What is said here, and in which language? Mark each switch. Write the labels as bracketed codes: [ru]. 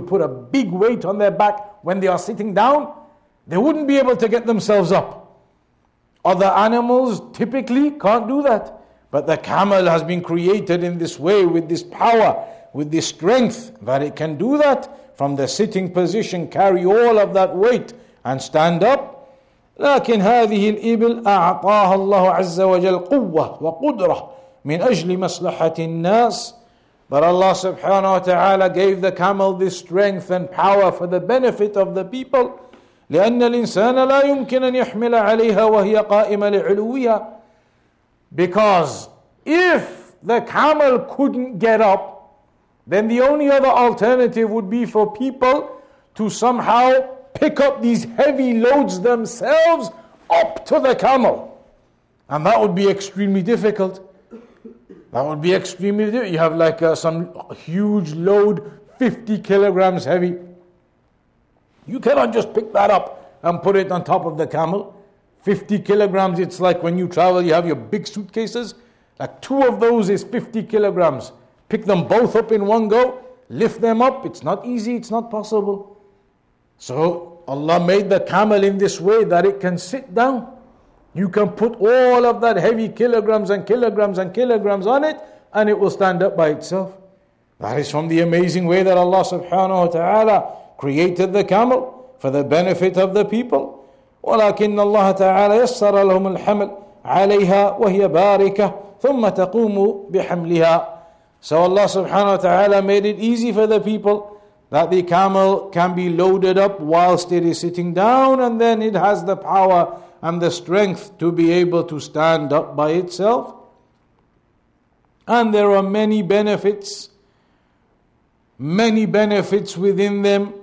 [en] You put a big weight on their back when they are sitting down, they wouldn't be able to get themselves up. Other animals typically can't do that. But the camel has been created in this way, with this power, with this strength, that it can do that from the sitting position, carry all of that weight and stand up. [ar] لكن هذه الإبل أعطاها الله عز وجل قوة وقدرة من أجل مصلحة الناس. [en] But Allah subhanahu wa ta'ala gave the camel this strength and power for the benefit of the people. [ar] لأن الإنسان لا يمكن أن يحمل عليها وهي قائمة لعلوها. [en] Because if the camel couldn't get up, then the only other alternative would be for people to somehow pick up these heavy loads themselves up to the camel. And that would be extremely difficult. You have like some huge load, 50 kilograms heavy. You cannot just pick that up and put it on top of the camel. 50 kilograms, it's like when you travel, you have your big suitcases. Like two of those is 50 kilograms. Pick them both up in one go, lift them up. It's not easy, it's not possible. So Allah made the camel in this way that it can sit down. You can put all of that heavy kilograms and kilograms and kilograms on it, and it will stand up by itself. That is from the amazing way that Allah subhanahu wa ta'ala created the camel for the benefit of the people. [ar] ولكن الله تعالى يسر لهم الحمل عليها وهي باركة ثم تقوم بحملها. [en] So Allah subhanahu wa ta'ala made it easy for the people that the camel can be loaded up whilst it is sitting down, and then it has the power and the strength to be able to stand up by itself. And there are many benefits within them.